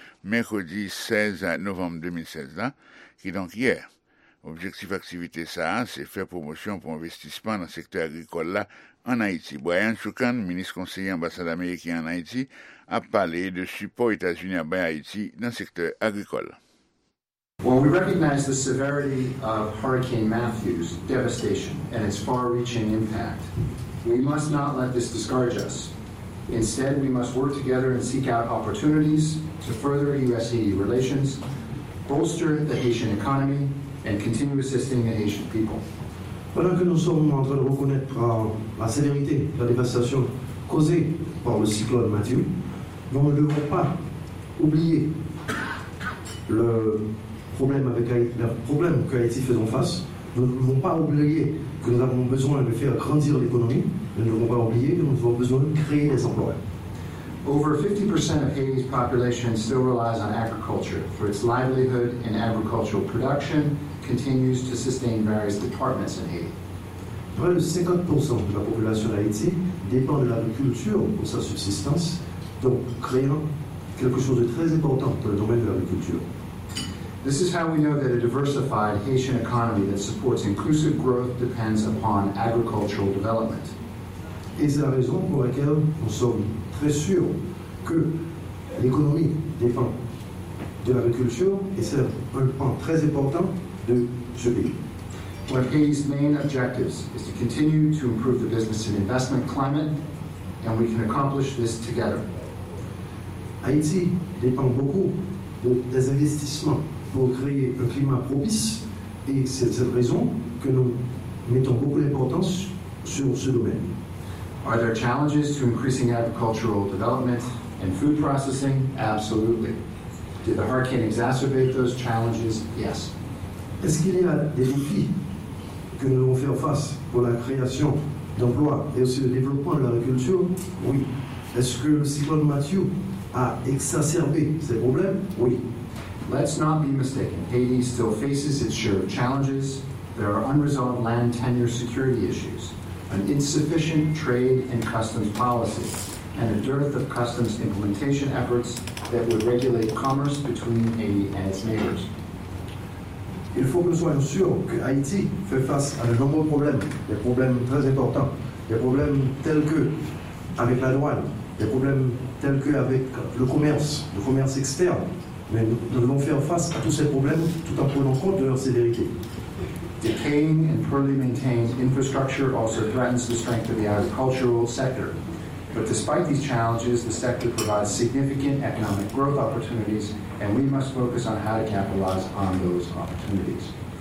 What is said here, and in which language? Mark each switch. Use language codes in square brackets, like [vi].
[fr] Mercredi 16 novembre 2016, là, qui donc hier. Objectif activité ça, c'est faire promotion pour investissement dans le secteur agricole là, en Haïti. Brian Choukan, ministre conseiller ambassade américaine en Haïti, a parlé de support États-Unis à Haïti dans le secteur agricole. [en] Well, we recognize the severity of Hurricane Matthew's devastation and its far-reaching impact. We must not let this discourage us. Instead, we must work together and seek out opportunities to further U.S.-Haiti relations, bolster the Haitian economy, and continue assisting the Haitian people. [fr] Pendant que nous sommes en train de reconnaître la sévérité de la dévastation causée par le cyclone Matthew, nous ne devons pas oublier le problème que Haïti faisons face. Nous ne devons pas oublier que nous avons besoin de faire grandir l'économie. Nous ne devons pas oublier que nous avons besoin de créer des emplois. [en] Over 50% of Haiti's population still relies on agriculture for its livelihood, and agricultural production continues to sustain various departments in Haiti. [fr] Près de 50% de la population d'Haïti dépend de l'agriculture pour sa subsistance, donc créant quelque chose de très important dans le domaine de l'agriculture. [en] This is how we know that a diversified Haitian economy that supports inclusive growth depends upon agricultural development. [fr] Et c'est la raison pour laquelle nous sommes très sûrs que l'économie dépend de l'agriculture et c'est un point très important de ce pays. [en] One of Haiti's main objectives is to continue to improve the business and investment climate, and we can accomplish this together. [fr] Haïti dépend beaucoup des investissements pour créer un climat propice, et c'est cette raison que nous mettons beaucoup d'importance sur ce domaine. [en] Are there challenges to increasing agricultural development and food processing? Absolutely. Did the hurricane exacerbate those challenges? Yes. [fr] Est-ce qu'il y a des défis que nous devons faire face pour la création d'emplois et aussi le développement de l'agriculture? Oui. Est-ce que le cyclone Matthew a exacerbé ces problèmes? Oui. [en] Let's not be mistaken. Haiti still faces its share of challenges. There are unresolved land tenure security issues, an insufficient trade and customs policy, and a dearth of customs implementation efforts that would regulate commerce between Haiti and its neighbors. [fr] Il faut que nous soyons sûrs que Haïti fait face à de nombreux problèmes, des problèmes très importants, des problèmes tels que avec la douane, des problèmes tels que avec le commerce externe. Mais nous devons faire face à tous ces problèmes tout en prenant compte de leur sévérité. [en] Decaying and poorly maintained infrastructure also threatens the strength of the agricultural sector. But despite these challenges, the sector provides significant economic growth opportunities, and we must focus on how to capitalize on those opportunities.